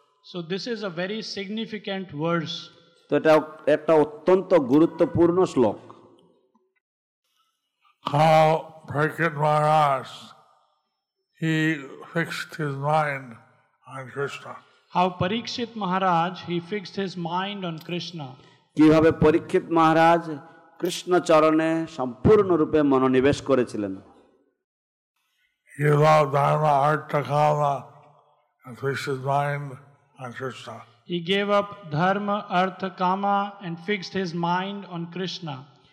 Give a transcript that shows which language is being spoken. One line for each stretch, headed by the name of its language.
English: So this is a very significant verse.
Bangla: তো এটা একটা অত্যন্ত গুরুত্বপূর্ণ শ্লোক.
English: How Prakrit Maharaj, he fixed his mind on Krishna. How Parikshit Maharaj, he fixed his mind on Krishna.
Bangla: কিভাবে পরীক্ষিত মহারাজ কৃষ্ণ চরণে সম্পূর্ণরূপে মনোনিবেশ করেছিলেন.
English: He loved Dharma Artha Kama and fixed his mind on Krishna. He gave up dharma, artha, kama and fixed his mind on Krishna.